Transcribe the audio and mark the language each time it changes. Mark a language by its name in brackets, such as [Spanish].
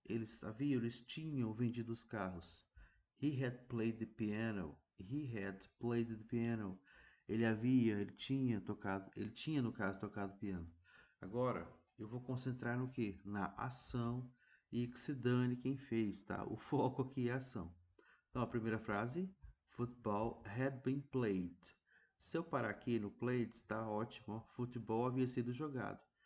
[Portuguese] Eles tinham vendido os carros. [English] He had played the piano. He had played the piano. [Portuguese] Ele tinha no caso tocado piano. Agora, eu vou concentrar no quê? Na ação e que se dane quem fez, tá? O foco aqui é a ação. Então, a primeira frase, [English] football had been played. [Portuguese] Se eu parar aqui no played, está ótimo, ó, futebol havia sido jogado.